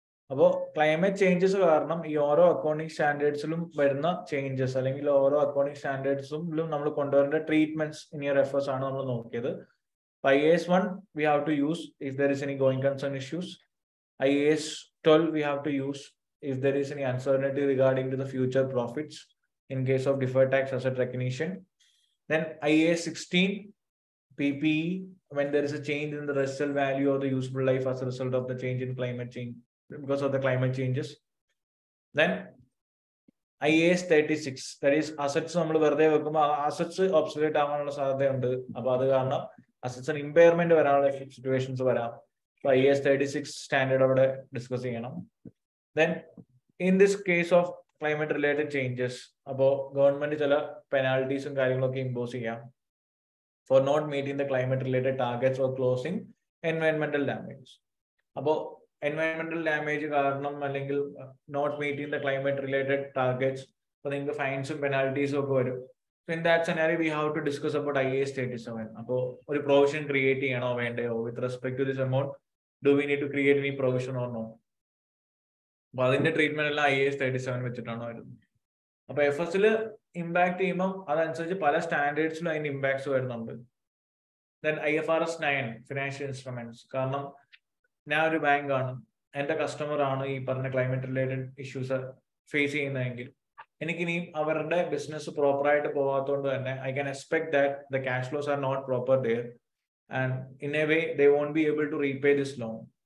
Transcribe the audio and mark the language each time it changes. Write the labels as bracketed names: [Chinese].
[Malayalam] അപ്പോ climate changes കാരണം ഈ ഓരോ അക്കൗണ്ടിങ് സ്റ്റാൻഡേർഡ്സിലും വരുന്ന ചേഞ്ചസ് അല്ലെങ്കിൽ ഓരോ അക്കൗണ്ടിങ് സ്റ്റാൻഡേർഡ്സിലും നമ്മൾ കൊണ്ടുവരേണ്ട ട്രീറ്റ്മെന്റ്സ് ഇൻ യുവർ എഫേർട്സ് ആണ് നമ്മൾ നോക്കിയത്. [English] IAS 1 we have to use if there is any going concern issues. IAS 12 we have to use if there is any uncertainty regarding to the future profits in case of deferred tax asset recognition. Then IAS 16 PPE when there is a change in the residual value or the useful life as a result of the change in climate change, because of the climate changes. Then IAS 36 that is assets [Malayalam] നമ്മൾ വെറുതെ വെക്കുമ്പോൾ assets obsolete ആവാനുള്ള സാധ്യതയുണ്ട്. അപ്പോൾ അത് കാരണം assets and impairment വരാനുള്ള situations വരാം. ഐ എസ് 36 സ്റ്റാൻഡേർഡ് അവിടെ ഡിസ്കസ് ചെയ്യണം. [English] then in this case of climate related changes [Malayalam] അപ്പോ ഗവൺമെന്റ് ചില പെനാൾട്ടീസും കാര്യങ്ങളൊക്കെ ഇമ്പോസ് ചെയ്യാം [English] Four not meeting the climate related targets or closing എൻവയൺമെന്റൽ damage. [Malayalam] അപ്പോ എൻവയൺമെന്റൽ ഡാമേജ് കാരണം അല്ലെങ്കിൽ [English] not meeting the climate related targets [Malayalam] അപ്പൊ നിങ്ങൾക്ക് ഫൈൻസും പെനാൾട്ടീസും ഒക്കെ വരും. [English] So in that scenario, we have to discuss about IAS 37. So, one provision create you know, with respect to this amount, do we need to create any provision or not? But in the treatment, IAS 37 is going to be done. [Malayalam] അപ്പൊ F S impact ചെയ്യുമ്പോൾ അതനുസരിച്ച് പല സ്റ്റാൻഡേർഡ്സിലും അതിന്റെ impacts വരുന്നുണ്ട്. Then I F R S 9 financial instruments, കാരണം ഞാൻ ഒരു bank ആണ്, എന്റെ കസ്റ്റമർ ആണ് ഈ പറഞ്ഞ ക്ലൈമറ്റ് റിലേറ്റഡ് ഇഷ്യൂസ് ഫേസ് ചെയ്യുന്നതെങ്കിൽ എനിക്ക് ഇനി അവരുടെ ബിസിനസ് പ്രോപ്പർ ആയിട്ട് പോകാത്തതുകൊണ്ട് തന്നെ [English] I can expect that the cash flows are not proper there and in a way they won't be able to repay this loan.